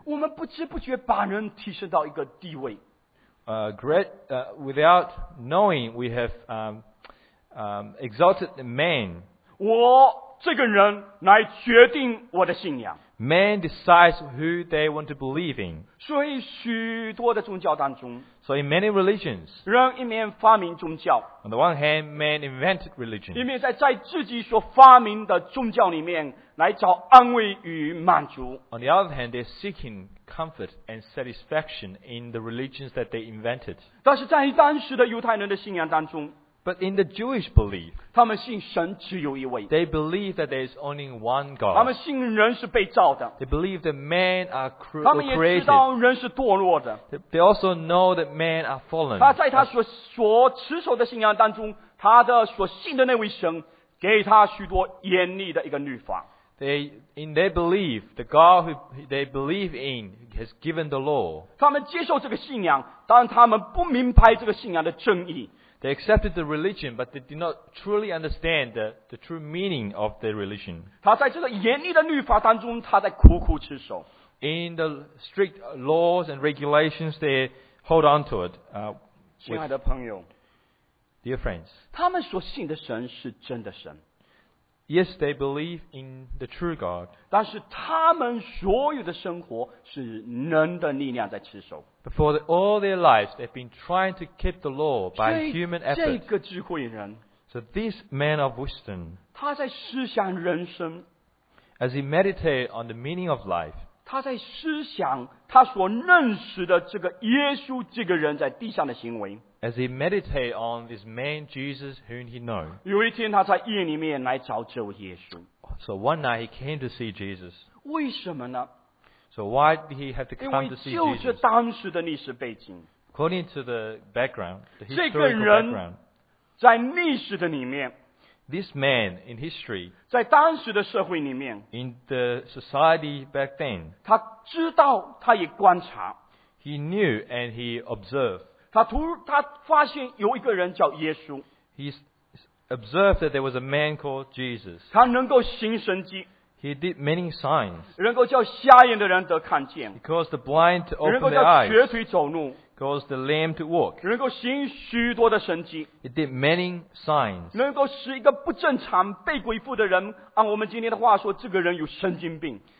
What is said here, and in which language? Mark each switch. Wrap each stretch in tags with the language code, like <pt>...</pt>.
<zh>我们不知不觉把人提升到一个地位。</zh> <en>Without knowing, we have exalted the man.</en> <zh>我这个人来决定我的信仰。</zh> <en>Man decides who they want to believe in.</en> <zh>所以许多的宗教当中,</zh> <en>so in many religions,</en> <zh>人一面发明宗教,</zh> <en>on the one hand, man invented religion,</en> <zh>一面在自己所发明的宗教里面来找安慰与满足。</zh> <en>On the other hand, they're seeking comfort and satisfaction in the religions that they invented.</en> <zh>但是在当时的犹太人的信仰当中,</zh> <en>but in the Jewish belief,</en> <zh>他们信神只有一位。</zh> <en>They believe that there is only one God.</en> <zh>他们信人是被造的。</zh> <en>They believe that man are created.</en> <zh>他们也知道人是堕落的。</zh> <en>They also know that man are fallen.</en> <zh>他在他所持守的信仰当中，他的所信的那位神给他许多严厉的一个律法。</zh> <en>They, in their belief, the God who they believe in has given the law.</en> <zh>他们接受这个信仰，但他们不明白这个信仰的真意。</zh> <en>They accepted the religion, but they did not truly understand the true meaning of the religion.</en> <zh>他在这个严厉的律法当中，他在苦苦持守。</zh> <en>In the strict laws and regulations, they hold on to it.</en> <zh>亲爱的朋友</zh> <en>，Dear friends,</en> <zh>他们所信的神是真的神。</zh> <en>Yes, they believe in the true God.</en> <zh>但是他们所有的生活是人的力量在持守。</zh> <en>But for all their lives, they've been trying to keep the law by human effort.</en> <zh>这个智慧人</zh> <en>So this man of wisdom,</en> <zh>他在思想人生</zh> <en>as he meditated on the meaning of life,</en> <zh>他在思想他所认识的这个耶稣这个人在地上的行为。</zh> <en>As he meditated on this man Jesus whom he knew.</en> <zh>有一天他在夜里面来找这位耶稣。</zh> <en>So one night he came to see Jesus.</en> <zh>为什么呢？</zh> <en>So why did he have to come to see Jesus?</en> <zh>因为就是当时的历史背景。</zh> <en>According to the background, the historical background,</en> <zh>在历史的里面,</zh> <en>this man in history,</en> <zh>在当时的社会里面,</zh> <en>in the society back then,</en> <zh>他知道他也观察,</zh> <en>he knew and he observed.</en> <zh>他发现有一个人叫耶稣,</zh> <en>he observed that there was a man called Jesus.</en> <zh>他能够行神迹。</zh> <en>He did many signs.</en> <zh>能够叫瞎眼的人得看见。</zh> <en>He caused the blind to open their eyes.</en> <zh>能够叫瘸腿走路。</zh> <en>Caused the lame to walk.</en> <zh>能够行许多的神迹。</zh> <en>He did many signs.</en> <zh>能够使一个不正常被鬼附的人，按我们今天的话说，这个人有神经病。</zh>